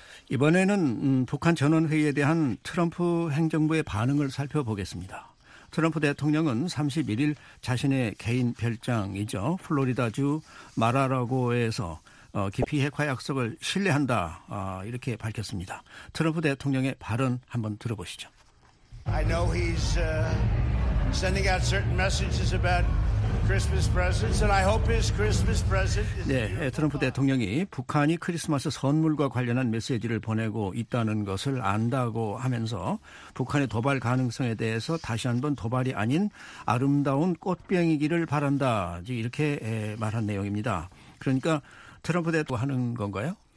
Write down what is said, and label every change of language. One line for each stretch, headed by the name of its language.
Korean: 이번에는 북한 전원회의에 대한 트럼프 행정부의 반응을 살펴보겠습니다. 트럼프 대통령은 31일 자신의 개인 별장이죠. 플로리다주 마라라고에서 깊이 핵화 약속을 신뢰한다 이렇게 밝혔습니다. 트럼프 대통령의 발언 한번 들어보시죠.
English: I know he's sending out certain messages about Christmas presents and I hope his Christmas present is
Korean: 네, 트럼프 대통령이 북한이 크리스마스 선물과 관련한 메시지를 보내고 있다는 것을 안다고 하면서 북한의 도발 가능성에 대해서 다시 한번 도발이 아닌 아름다운 꽃병이기를 바란다. 이렇게 말한 내용입니다. 그러니까 트럼프 대통령 하는 건가요?